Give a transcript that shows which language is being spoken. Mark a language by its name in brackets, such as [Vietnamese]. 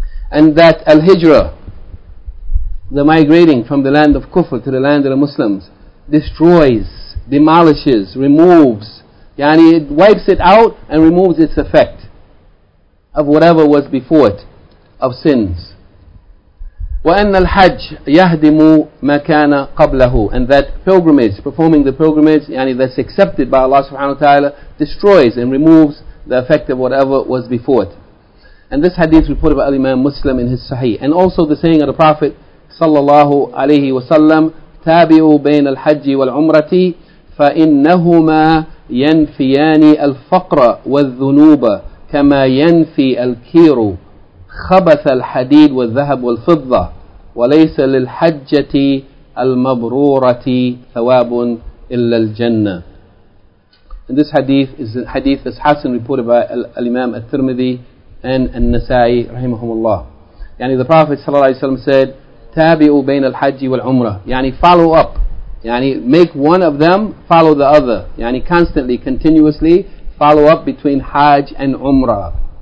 [English] And that al-Hijrah, the migrating from the land of Kufr to the land of the Muslims, destroys, demolishes, removes, it wipes it out and removes its effect of whatever was before it of sins. [Arabic] وَأَنَّ الْحَجِّ يَهْدِمُ مَا كَانَ قَبْلَهُ. [English] And that pilgrimage, performing the pilgrimage, that's accepted by Allah subhanahu wa ta'ala, destroys and removes the effect of whatever was before it. And this hadith is reported by Imam Muslim in his Sahih. And also the saying of the Prophet sallallahu alayhi wa sallam, [Arabic] تابعوا بين الحج والعمرة فإنهما ينفيان الفقر والذنوب كما ينفي الكير خبث الحديد والذهب والفضة وليس للحجة المبرورة ثواب إلا الجنة. [English] And this hadith is a hadith that's Hassan, reported by Imam al-Tirmidhi and al-Nasai rahimahumullah. The Prophet صلى الله عليه وسلم said, [Arabic] تابعوا بين الحج والعمرة, [English] follow up, make one of them follow the other, constantly, continuously follow up between Hajj and Umrah.